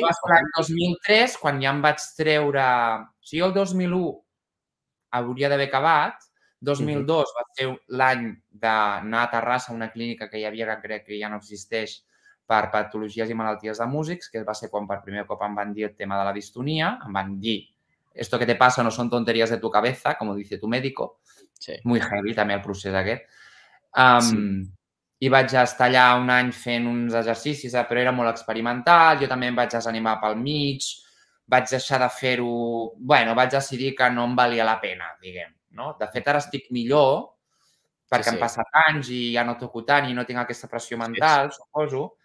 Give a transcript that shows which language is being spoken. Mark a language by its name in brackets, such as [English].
[Catalan] L'any 2003, quan ja em vaig treure... O sigui, el 2001 hauria d'haver acabat, 2002 va ser l'any d'anar a Terrassa, una clínica que hi havia, que crec que ja no existeix, per patologies i malalties de músics, que va ser quan per primer cop em van dir el tema de la distonia. Em van dir, [Spanish] esto que te pasa no son tonterías de tu cabeza, como dice tu médico. [Catalan] Sí. [Spanish] Muy heavy, [Catalan] també, el procés aquest. Sí. I vaig estar allà un any fent uns exercicis, però era molt experimental. Jo també em vaig desanimar pel mig. Vaig deixar de fer-ho... Bueno, vaig decidir que no em valia la pena, diguem. No? De fet, ara estic millor perquè sí, sí, han passat anys i ja no toco tant i no tinc aquesta pressió mental, sí, sí, suposo.